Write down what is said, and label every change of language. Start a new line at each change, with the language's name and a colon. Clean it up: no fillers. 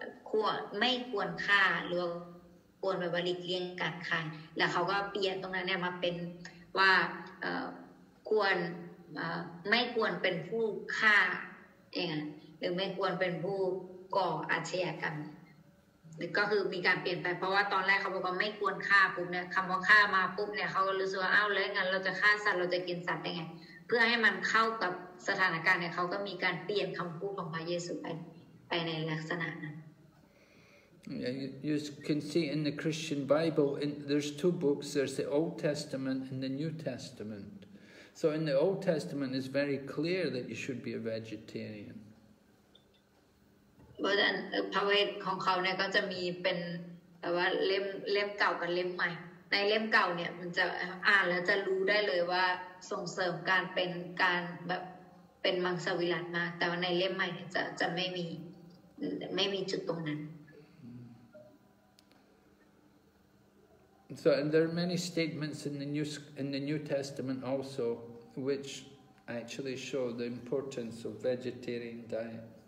Thai: ควรไม่ควรฆ่าหรือควรไปบริเลี่ยงการฆ่าแล้วเขาก็เปลี่ยนตรงนั้นเนี่ยมาเป็นว่าควรไม่ควรเป็นผู้ฆ่าเองหรือไม่ควรเป็นผู้ก่ออาชญากรรม ก็คือมีการเปลี่ยนไปเพราะว่าตอนแรกเขาบอกว่าไม่ควรฆ่าปุ๊บเนี่ยคำว่าฆ่ามาปุ๊บเนี่ยเขาก็รู้สึกว่าอ้าวแล้วงั้นเราจะฆ่าสัตว์เราจะกินสัตว์ยังไงเพื่อให้มันเข้ากับสถานการณ์เนี่ยเขาก็มีการเปลี่ยนคำพูดของพระเยซูไปในลักษณะนั้น
English: You can see in the Christian Bible there's two books. There's the Old Testament and the New Testament. So in the Old Testament it's very clear that you should be a vegetarian.
Thai: เพราะฉะนั้นพระเวทของเขาเนี่ยก็จะมีเป็นแต่ว่าเล่มเก่ากับเล่มใหม่ในเล่มเก่าเนี่ยมันจะอ่านแล้วจะรู้ได้เลยว่าส่งเสริมการเป็นการแบบเป็นมังสวิรัติมากแต่ว่าในเล่มใหม่เนี่ยจะไม่มีจุดตรงนั้น
English: So and there are many statements in the New Testament also which actually show the importance of vegetarian diet